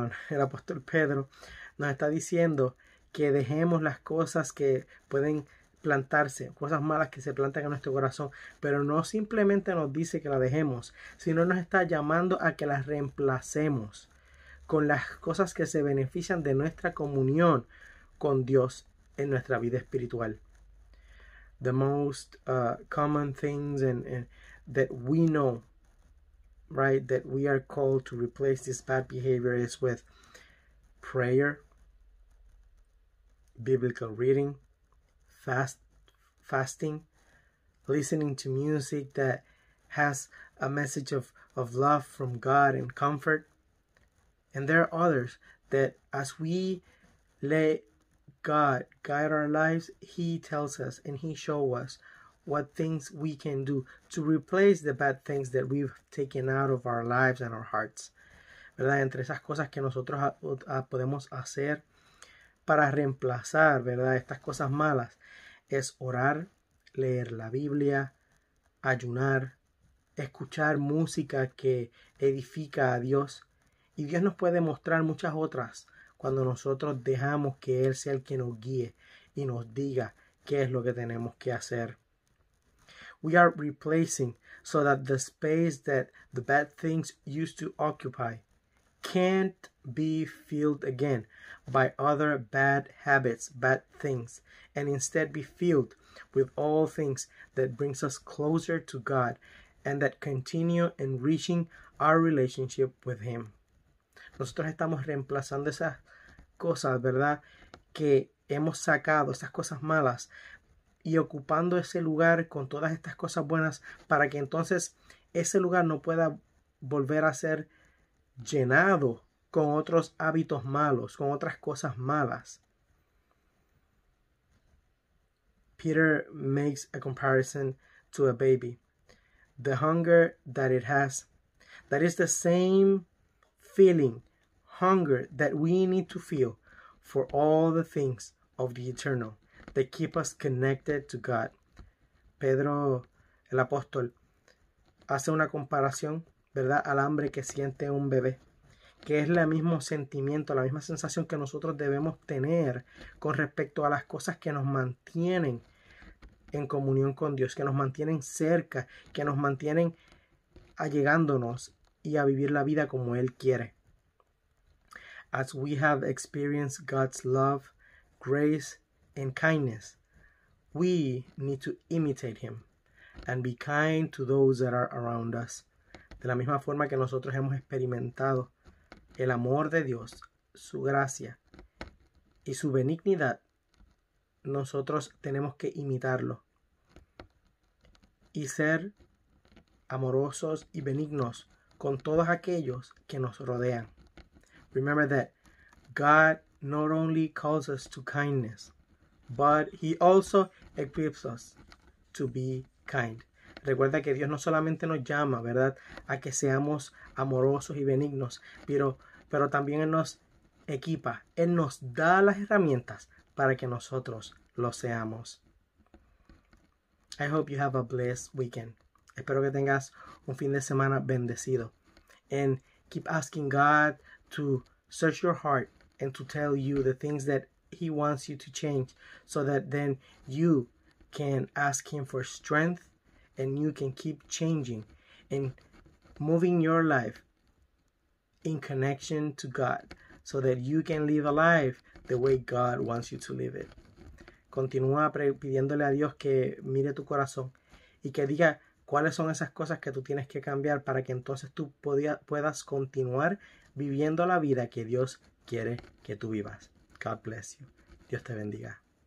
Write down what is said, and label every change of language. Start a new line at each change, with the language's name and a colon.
Spanish: El apóstol Pedro nos está diciendo que dejemos las cosas que pueden plantarse, cosas malas que se plantan en nuestro corazón, pero no simplemente nos dice que la dejemos, sino nos está llamando a que las reemplacemos con las cosas que se benefician de nuestra comunión con Dios en nuestra vida espiritual.
English: The most common things and that we know, right, that we are called to replace this bad behavior is with prayer, biblical reading, fasting, listening to music that has a message of love from God and comfort. And there are others that as we let God guide our lives, He tells us and He shows us what things we can do to replace the bad things that we've taken out of our lives and our hearts.
Spanish: ¿Verdad? Entre esas cosas que nosotros podemos hacer para reemplazar, ¿verdad?, estas cosas malas, es orar, leer la Biblia, ayunar, escuchar música que edifica a Dios. Y Dios nos puede mostrar muchas otras cuando nosotros dejamos que Él sea el que nos guíe y nos diga qué es lo que tenemos que hacer.
English: We are replacing so that the space that the bad things used to occupy can't be filled again by other bad habits, bad things, and instead be filled with all things that brings us closer to God and that continue enriching our relationship with Him.
Spanish: Nosotros estamos reemplazando esas cosas, ¿verdad?, que hemos sacado, esas cosas malas, y ocupando ese lugar con todas estas cosas buenas para que entonces ese lugar no pueda volver a ser llenado con otros hábitos malos, con otras cosas malas.
English: Peter makes a comparison to a baby. The hunger that it has, that is the same feeling, hunger that we need to feel for all the things of the eternal that keep us connected to God.
Spanish: Pedro, el apóstol, hace una comparación, ¿verdad?, al hambre que siente un bebé, que es el mismo sentimiento, la misma sensación que nosotros debemos tener con respecto a las cosas que nos mantienen en comunión con Dios, que nos mantienen cerca, que nos mantienen allegándonos y a vivir la vida como Él quiere.
English: As we have experienced God's love, grace, and kindness, we need to imitate Him and be kind to those that are around us.
Spanish: De la misma forma que nosotros hemos experimentado el amor de Dios, su gracia y su benignidad, nosotros tenemos que imitarlo y ser amorosos y benignos con todos aquellos que nos rodean.
English: Remember that God not only calls us to kindness, but He also equips us to be kind.
Spanish: Recuerda que Dios no solamente nos llama, ¿verdad?, a que seamos amorosos y benignos, pero también Él nos equipa. Él nos da las herramientas para que nosotros lo seamos.
English: I hope you have a blessed weekend.
Spanish: Espero que tengas un fin de semana bendecido.
English: And keep asking God to search your heart and to tell you the things that He wants you to change so that then you can ask Him for strength and you can keep changing and moving your life in connection to God so that you can live a life the way God wants you to live it.
Spanish: Continúa pidiéndole a Dios que mire tu corazón y que diga cuáles son esas cosas que tú tienes que cambiar para que entonces tú puedas continuar viviendo la vida que Dios quiere que tú vivas.
English: God bless you.
Spanish: Dios te bendiga.